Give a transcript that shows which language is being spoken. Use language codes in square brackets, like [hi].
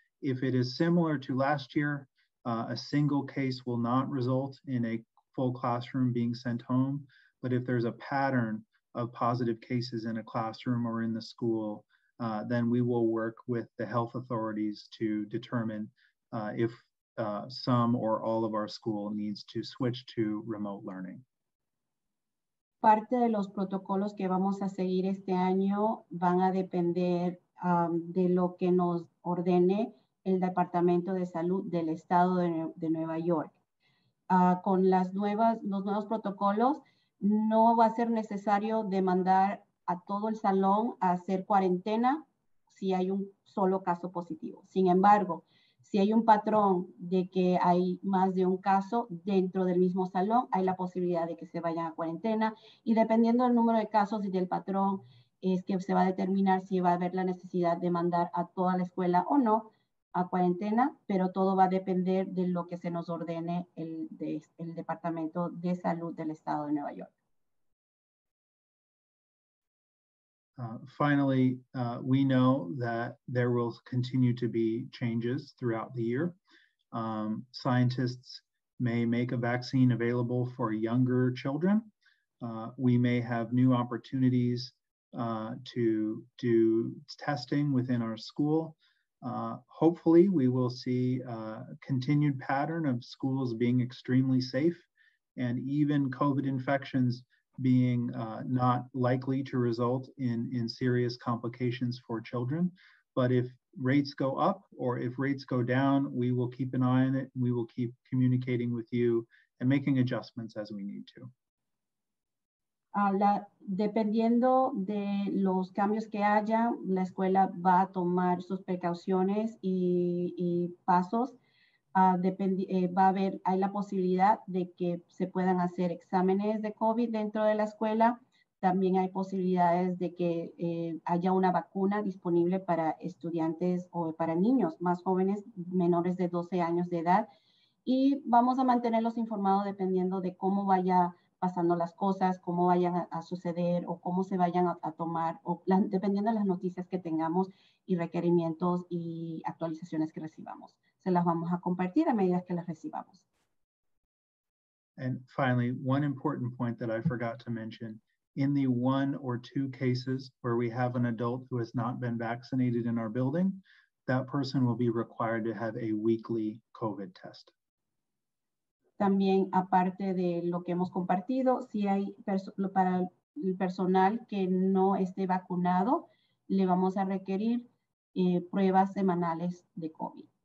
[en] If it is similar to last year, a single case will not result in a full classroom being sent home, but if there's a pattern of positive cases in a classroom or in the school, then we will work with the health authorities to determine if some or all of our school needs to switch to remote learning. [es] parte de los protocolos que vamos a seguir este año van a depender de lo que nos ordene el Departamento de Salud del Estado de Nueva York. Con los nuevos protocolos, no va a ser necesario demandar a todo el salón a hacer cuarentena si hay un solo caso positivo. Sin embargo, si hay un patrón de que hay más de un caso dentro del mismo salón, hay la posibilidad de que se vayan a cuarentena. Y dependiendo del número de casos y del patrón, es que se va a determinar si va a haber la necesidad de mandar a toda la escuela o no a cuarentena, pero todo va a depender de lo que se nos ordene el Departamento de Salud del Estado de Nueva York. [en] Finally, we know that there will continue to be changes throughout the year. Scientists may make a vaccine available for younger children. We may have new opportunities to do testing within our school. Hopefully, we will see a continued pattern of schools being extremely safe and even COVID infections being not likely to result in serious complications for children. But if rates go up or if rates go down, we will keep an eye on it. We will keep communicating with you and making adjustments as we need to. [es] Dependiendo de los cambios que haya, la escuela va a tomar sus precauciones y pasos. Hay la posibilidad de que se puedan hacer exámenes de COVID dentro de la escuela. También hay posibilidades de que haya una vacuna disponible para estudiantes o para niños más jóvenes, menores de 12 años de edad. Y vamos a mantenerlos informados dependiendo de cómo vaya pasando las cosas, cómo vayan a suceder o cómo se vayan a tomar, dependiendo de las noticias que tengamos y requerimientos y actualizaciones que recibamos. Se las vamos a compartir a medida que las recibamos. [en] And finally, one important point that I forgot to mention. In the one or two cases where we have an adult who has not been vaccinated in our building, that person will be required to have a weekly COVID test. [es] También, aparte de lo que hemos compartido, si hay para el personal que no esté vacunado, le vamos a requerir pruebas semanales de COVID.